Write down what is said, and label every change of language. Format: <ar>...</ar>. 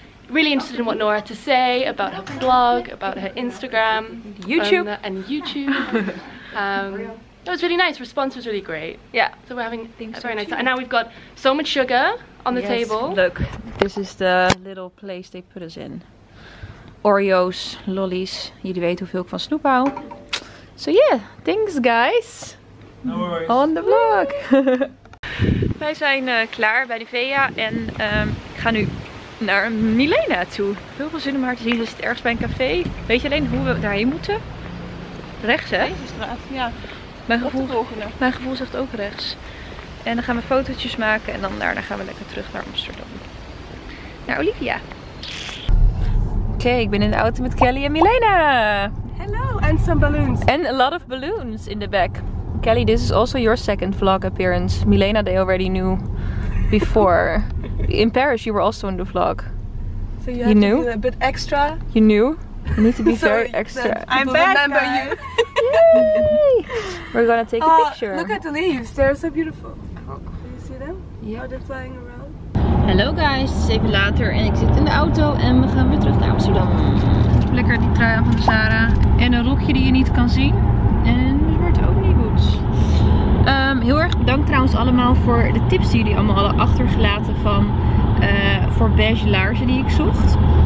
<en>Really interested in what Nora had to say about her blog, about her Instagram, YouTube, and YouTube. It was really nice. Response was really great. Yeah. So we're having a very nice time. And now we've got so much sugar on the table. Look, this is the little place they put us in. Oreos, lollies.</en> <nl>Jullie weten hoeveel ik van snoep hou.</nl> <en>So yeah, thanks guys. No worries. On the vlog.</en> <nl>Wij zijn klaar bij de Nivea en ik ga nu naar Milena toe. Heel veel zin om haar te zien. Ze zit ergens bij een café. Weet je alleen hoe we daarheen moeten? Rechts, hè? Deze straat, ja. Mijn gevoel, zegt ook rechts. En dan gaan we fotootjes maken en dan daarna gaan we lekker terug naar Amsterdam. Naar Olivia. Oké, ik ben in de auto met Kelly en Milena.</nl> <en>Hello, and some balloons. And a lot of balloons in the back. Kelly, this is also your second vlog appearance. Milena, they already knew before. In Paris, you were also in the vlog. So you knew to a bit extra. You knew. You need to be very extra. I'm back. Remember you. Yay! We're gonna take a picture. Look at the leaves. They're so beautiful. Do you see them? Yeah. How they're flying around.</en> <nl>Hallo guys, het is even later en ik zit in de auto en we gaan weer terug naar Amsterdam. Lekker die trui aan van de Zara en een rokje die je niet kan zien en een zwarte omnibus. Heel erg bedankt trouwens allemaal voor de tips die jullie allemaal hadden achtergelaten van voor beige laarzen die ik zocht.</nl>